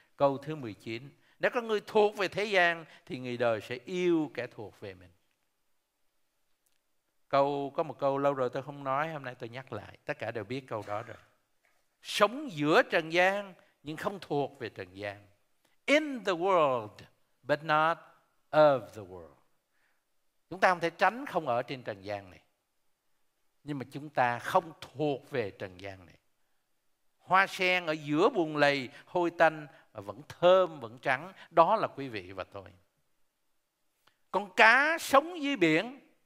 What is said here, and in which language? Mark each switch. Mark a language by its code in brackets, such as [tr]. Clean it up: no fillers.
[vi] Câu thứ 19: nếu có người thuộc về thế gian thì người đời sẽ yêu kẻ thuộc về mình. Có một câu lâu rồi tôi không nói, hôm nay tôi nhắc lại. Tất cả đều biết câu đó rồi. Sống giữa trần gian nhưng không thuộc về trần gian. [en] In the world but not of the world. [vi] Chúng ta không thể tránh không ở trên trần gian này. Nhưng mà chúng ta không thuộc về trần gian này. Hoa sen ở giữa buồng lầy hôi tanh mà vẫn thơm, vẫn trắng. Đó là quý vị và tôi. Con cá sống dưới biển.